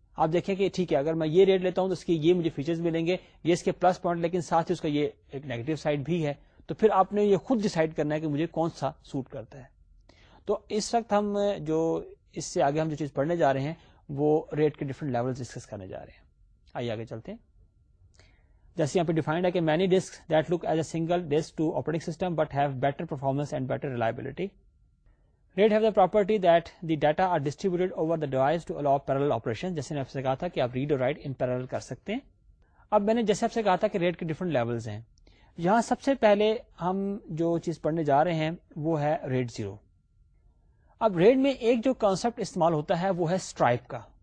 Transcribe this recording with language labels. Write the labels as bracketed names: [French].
[Urdu] آپ دیکھیں کہ ٹھیک ہے اگر میں یہ ریڈ لیتا ہوں تو اس کی یہ مجھے فیچرز ملیں گے, یہ اس کے پلس پوائنٹ, لیکن ساتھ ہی اس کا یہ ایک نیگیٹو سائڈ بھی ہے, تو پھر آپ نے یہ خود ڈیسائیڈ کرنا ہے کہ مجھے کون سا سوٹ کرتا ہے. تو اس وقت ہم جو اس سے آگے ہم جو چیز پڑھنے جا رہے ہیں وہ ریٹ کے ڈفرنٹ لیول ڈسکس کرنے جا رہے ہیں. آئیے آگے چلتے ہیں. جیسے یہاں پہ ڈیفائنڈ ہے کہ [English] Many disk that look as a single disk to operating system but have better performance and better reliability. RAID have the property that the data are distributed over the device to allow parallel operations. [Urdu] جیسے میں آپ سے کہا تھا کہ آپ red اور right in parallel کر سکتے ہیں. اب میں نے جیسے آپ سے کہا تھا کہ RAID کے ڈفرنٹ لیولز ہیں. یہاں سب سے پہلے ہم جو چیز پڑھنے جا رہے ہیں وہ ہے RAID 0. اب RAID میں ایک جو کانسیپٹ استعمال ہوتا ہے وہ ہے اسٹرائپ کا.